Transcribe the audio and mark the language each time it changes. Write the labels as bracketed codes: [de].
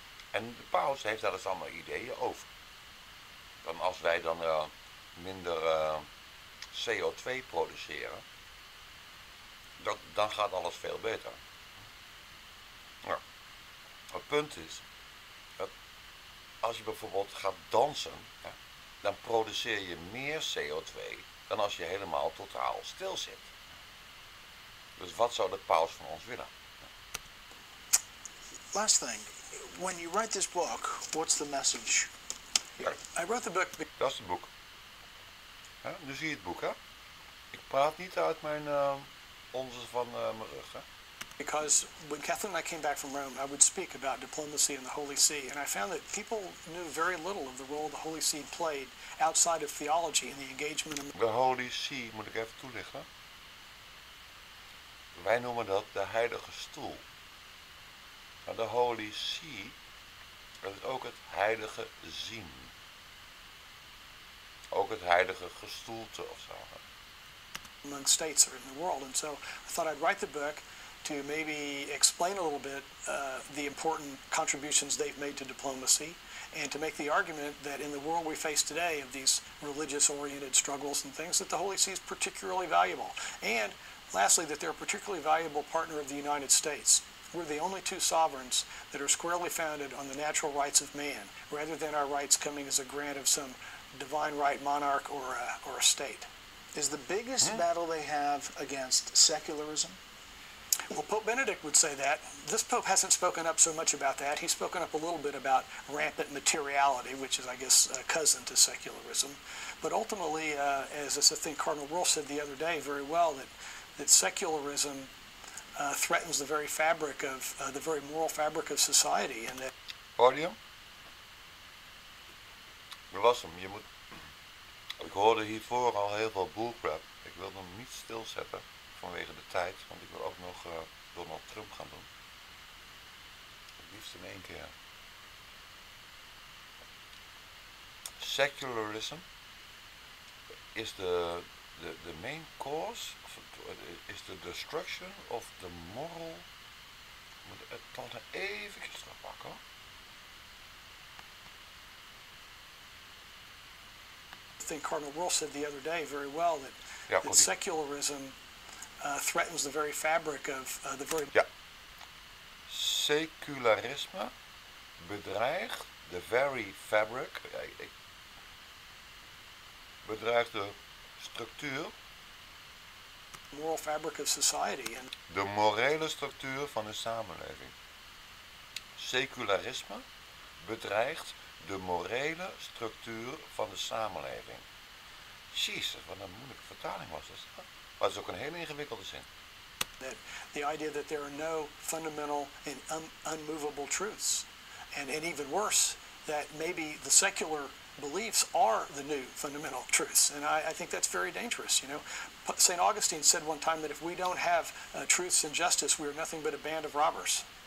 [nl] En de paus heeft daar dus allemaal ideeën over. Dan als wij dan minder CO2 produceren, dan gaat alles veel beter. Ja. Het punt is, als je bijvoorbeeld gaat dansen... Ja, dan produceer je meer CO2 dan als je helemaal totaal stil zit. Dus wat zou de paus van ons willen? [en] Last thing. When you write this book, what's the message? I wrote the book. [nl] Dat is het boek. Ja, nu zie je het boek, hè? Ik praat niet uit mijn onzen van mijn rug, hè? [en] Because when Catherine and I came back from Rome, I would speak about diplomacy and the Holy See, and I found that people knew very little of the role the Holy See played outside of theology in the engagement of [nl] the Holy See, moet ik even toelichten. Wij noemen dat de heilige stoel. Maar de Holy See, dat is ook het heilige zien. Ook het heilige gestoelte of zo. [en] Among states or in the world, and so I thought I'd write the book to maybe explain a little bit the important contributions they've made to diplomacy and to make the argument that in the world we face today of these religious-oriented struggles and things, that the Holy See is particularly valuable. And lastly, that they're a particularly valuable partner of the United States. We're the only two sovereigns that are squarely founded on the natural rights of man rather than our rights coming as a grant of some divine right monarch or a state. Is the biggest battle they have against secularism? Well, Pope Benedict would say that. This Pope hasn't spoken up so much about that. He's spoken up a little bit about rampant materiality, which is, I guess, a cousin to secularism. But ultimately, as I think Cardinal Wolf said the other day very well, that secularism threatens the very fabric of the very moral fabric of society. And that audio? [nl] Dat was hem. Ik hoorde hiervoor al heel veel bullcrap. ik wil hem niet stilzetten vanwege de tijd, want ik wil ook nog Donald Trump gaan doen. Het liefst in één keer. [en] Secularism is the main cause, of is the destruction of the moral. [nl] Ik moet het toch even terug pakken. [en] I think Cardinal Wolf said the other day very well that, ja, that secularism threatens the very fabric of the very. [nl] Ja. Secularisme bedreigt [en] the very fabric. [nl] Bedreigt de structuur. [en] Moral fabric of society. [nl] De morele structuur van de samenleving. Secularisme bedreigt de morele structuur van de samenleving. Jezus, wat een moeilijke vertaling was dat. Maar het is ook een heel ingewikkelde zin. [en] That the idea that there are no fundamental and unmovable truths. And even worse, that maybe the secular beliefs are the new fundamental truths. And I think that's very dangerous, you know. St. Augustine said one time that if we don't have truths and justice, we are nothing but a band of robbers.